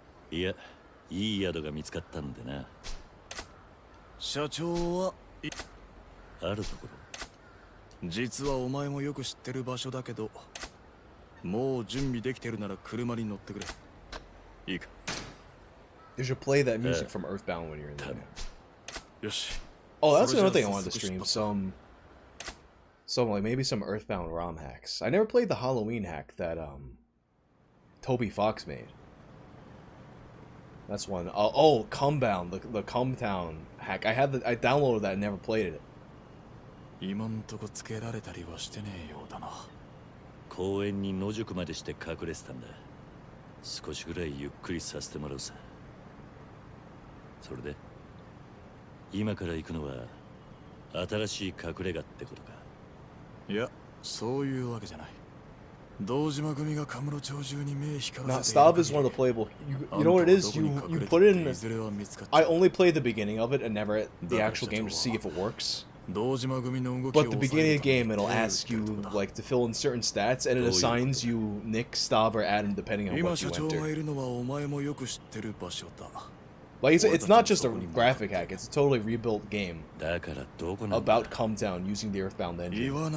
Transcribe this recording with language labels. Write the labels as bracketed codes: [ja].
[ja] いや、いい宿が見つかったんでな。社長は、あるところ。実はお前もよく知ってる場所だけど、もう準備できてるなら車に乗ってくれ。いいか。 [en] You should play that music from Earthbound when you're in there. [ja] よし。 [en] Oh, that's another thing I wanted to stream. Some Earthbound ROM hacks. I never played the Halloween hack that Toby Fox made. That's one. Cumbound, the Cumbtown hack. I downloaded that and never played it. [ja] 今んとこつけられたりはしてねえようだな。公園に野宿までして隠れてたんだ。少しぐらいゆっくりさせてもらうさ。それで、今から行くのは新しい隠れ家ってことか。いや、そういうわけじゃない。道島組がカムロ町中に目光らせている。 [en] Now, Stav is one of the playable. You know what it is? You put in. I only played the beginning of it and never the actual game to see if it works. But the beginning of the game, it'll ask you like to fill in certain stats and it assigns you Nick, Stav, or Adam depending on what you enter. [ja] 今社長がいるのはお前もよく知ってる場所だ。 [en] Like, it's not just a graphic hack, it's a totally rebuilt game about Come Down using the Earthbound engine.